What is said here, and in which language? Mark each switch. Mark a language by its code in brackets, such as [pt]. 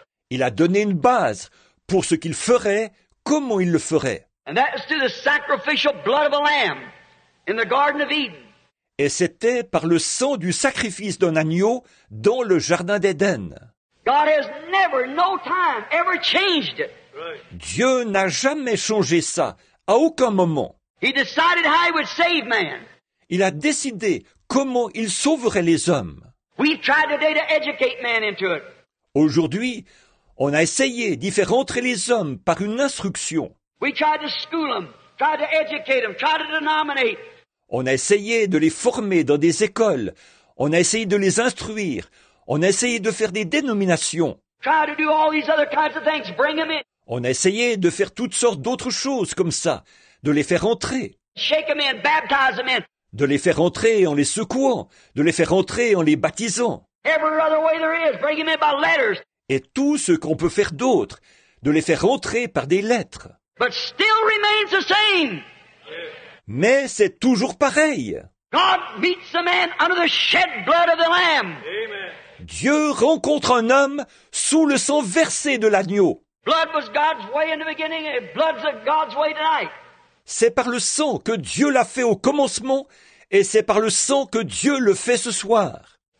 [fr] Il a donné une base pour ce qu'il ferait, comment il le ferait. [en] And that was through the sacrificial blood of a lamb in the Garden of Eden. [fr] Et c'était par le sang du sacrifice d'un agneau dans le jardin d'Éden. [en] God has never, no time, ever changed it. [fr] Dieu n'a jamais changé ça, à aucun moment. [en] He decided how he would save man. [fr] Il a décidé comment il sauverait les hommes. [en] We've tried today to educate man into it. [fr] Aujourd'hui, on a essayé d'y faire entrer les hommes par une instruction. [en] We tried to school them, tried to educate them, tried to denominate. [fr] On a essayé de les former dans des écoles, on a essayé de les instruire, on a essayé de faire des dénominations. [en] Try to do all these other kinds of things, bring them in. [fr] On a essayé de faire toutes sortes d'autres choses comme ça. De les faire entrer. [en] Shake them in, baptize them in. [fr] De les faire entrer en les secouant. De les faire entrer en les baptisant. [en] Every other way there is, bring them in by letters. [fr] Et tout ce qu'on peut faire d'autre, de les faire entrer par des lettres. [en] But still remains the same. [fr] Mais c'est toujours pareil. [en] God meets a man under the shed blood of the lamb. Amen. [fr] Dieu rencontre un homme sous le sang versé de l'agneau. [en] Blood was God's way in the beginning and blood's God's way tonight. [fr] C'est par le sang que Dieu l'a fait au commencement et c'est par le sang que Dieu le fait ce soir.